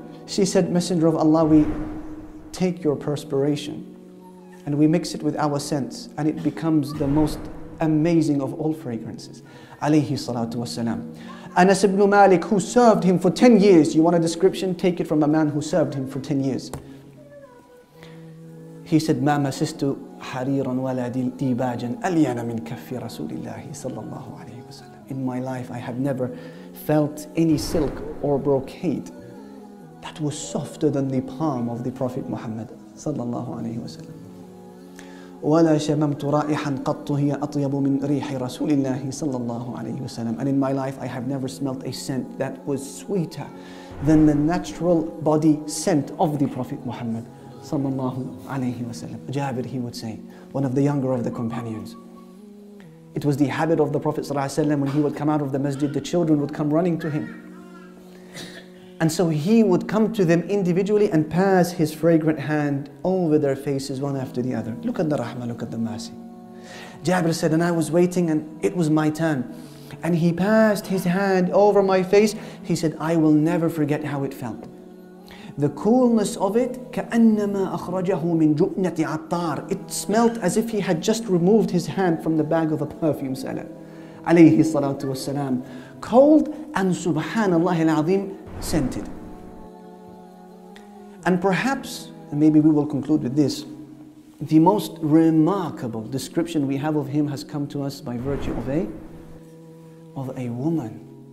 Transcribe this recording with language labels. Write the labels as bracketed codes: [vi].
[en] She said, Messenger of Allah, we take your perspiration and we mix it with our scents and it becomes the most amazing of all fragrances. [ar] Alayhi salatu wasalam. [en] Anas ibn Malik, who served him for 10 years, you want a description? Take it from a man who served him for 10 years. He said, [ar] ما مسست حرير ولا ديباجا أليان من كف رسول الله صلى الله عليه وسلم. [en] In my life, I have never felt any silk or brocade that was softer than the palm of the Prophet Muhammad [ar] صلى الله عليه وسلم. ولا شممت رائحا قط هي أطيب من ريح رسول الله صلى الله عليه وسلم. [en] And in my life, I have never smelt a scent that was sweeter than the natural body scent of the Prophet Muhammad [ar] sallallahu alayhi wa sallam. [en] Jabir, he would say, one of the younger of the companions. It was the habit of the Prophet sallallahu alayhi wa sallam, when he would come out of the masjid, the children would come running to him. And so he would come to them individually and pass his fragrant hand over their faces one after the other. Look at the rahmah, look at the mercy. Jabir said, and I was waiting and it was my turn. And he passed his hand over my face. He said, I will never forget how it felt. The coolness of it, [ar] كَأَنَّمَا أَخْرَجَهُ مِنْ جُؤْنَةِ عَطَّارِ. [en] It smelt as if he had just removed his hand from the bag of a perfume seller. [ar] عليه الصلاة والسلام. [en] Cold and [ar] سبحان الله العظيم, [en] scented. And perhaps, and maybe we will conclude with this, the most remarkable description we have of him has come to us by virtue of a woman.